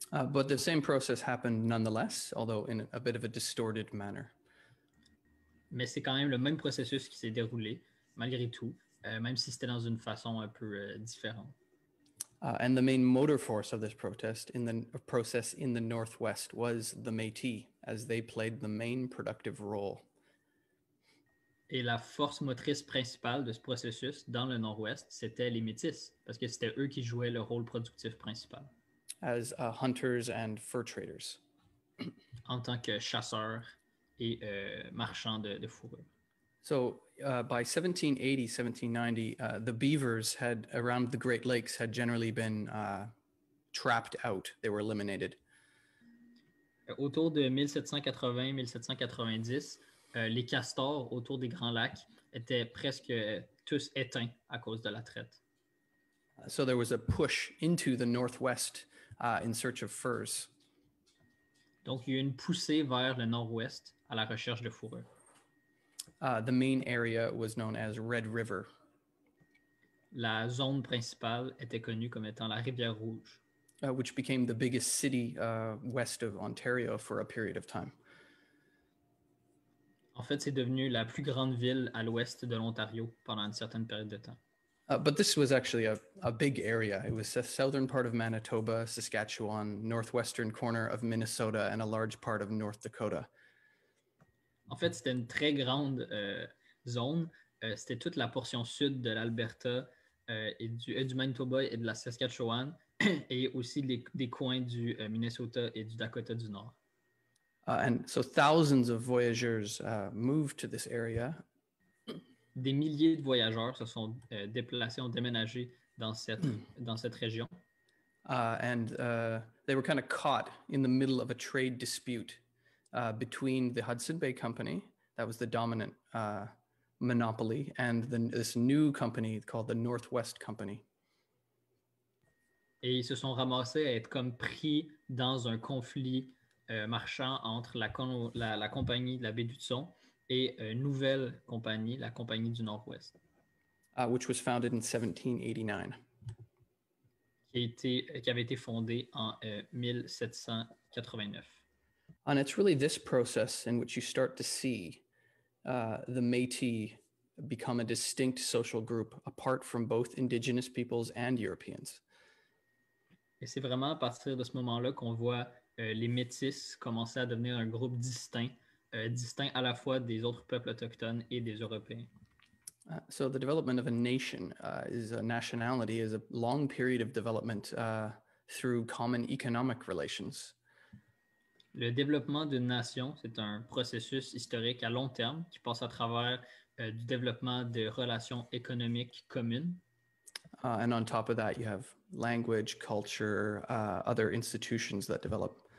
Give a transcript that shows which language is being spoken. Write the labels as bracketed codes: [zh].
[en] But the same process happened nonetheless, although in a bit of a distorted manner. [fr] Mais c'est quand même le même processus qui s'est déroulé, malgré tout, même si c'était dans une façon un peu différente. [en] And the main motor force of this protest in the process in the Northwest was the Métis, as they played the main productive role. [fr] Et la force motrice principale de ce processus dans le Nord-Ouest, c'était les Métis, parce que c'était eux qui jouaient le rôle productif principal. [en] As hunters and fur traders. [fr] En tant que chasseurs et marchands de fourrure. [en] So by 1780, 1790, the beavers had around the Great Lakes had generally been trapped out. They were eliminated. [fr] Autour de 1780-1790, les castors autour des Grands Lacs étaient presque tous éteints à cause de la traite. [en] So there was a push into the Northwest in search of furs. [fr] Donc, il y a eu une poussée vers le Nord-Ouest à la recherche de fourrure. [en] The main area was known as Red River. [fr] La zone principale était connue comme étant la Rivière Rouge. [en] Which became the biggest city west of Ontario for a period of time. [fr] En fait, c'est devenu la plus grande ville à l'ouest de l'Ontario pendant une certaine période de temps. [en] But this was actually a big area. It was the southern part of Manitoba, Saskatchewan, northwestern corner of Minnesota, and a large part of North Dakota. [fr] En fait, c'était une très grande zone. C'était toute la portion sud de l'Alberta et du Manitoba et de la Saskatchewan et aussi des coins du Minnesota et du Dakota du Nord. [en] And so thousands of voyageurs moved to this area. [fr] Des milliers de voyageurs se sont déplacés, ont déménagé dans cette région. [en] They were kind of caught in the middle of a trade dispute between the Hudson Bay Company, that was the dominant monopoly, and this new company called the Northwest Company. [fr] Et ils se sont ramassés à être comme pris dans un conflit marchand entre la compagnie de la baie d'Hudson et une nouvelle compagnie, la compagnie du Nord-Ouest. [en] Which was founded in 1789. [fr] Qui avait été fondée en 1789. [en] And it's really this process in which you start to see the Métis become a distinct social group apart from both indigenous peoples and Europeans. [fr] Et c'est vraiment à partir de ce moment-là qu'on voit les Métis commencer à devenir un groupe distinct, distinct à la fois des autres peuples autochtones et des Européens. [en] So the development of a nation is a nationality is a long period of development through common economic relations. [fr] Le développement d'une nation, c'est un processus historique à long terme qui passe à travers du développement de relations économiques communes. [en] And on top of that, you have language, culture, other institutions that develop.